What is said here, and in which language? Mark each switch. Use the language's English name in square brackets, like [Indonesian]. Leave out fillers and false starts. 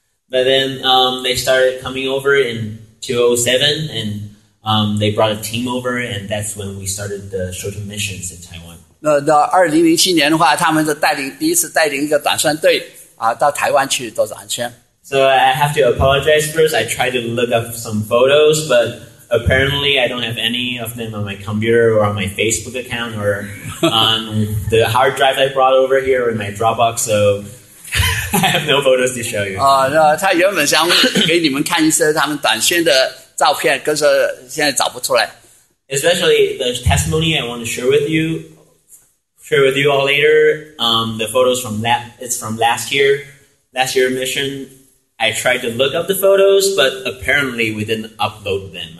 [English] But then they started coming over in 2007 and they brought a team over, and that's when we started the short-term missions in Taiwan. [Chinese] 2007年的话, 他们就带领第一次带领一个短宣队到台湾去做短宣。 [English] So I have to apologize first. I tried to look up some photos, but apparently I don't have any of them on my computer or on my Facebook account or on the hard drive I brought over here or in my Dropbox, so I have no photos to show you. [Chinese] 他原本想给你们看一些他们短宣的 [English] Especially the testimony I want to share with you all later. The photos from that, it's from last year mission. I tried to look up the photos, but apparently we didn't upload them.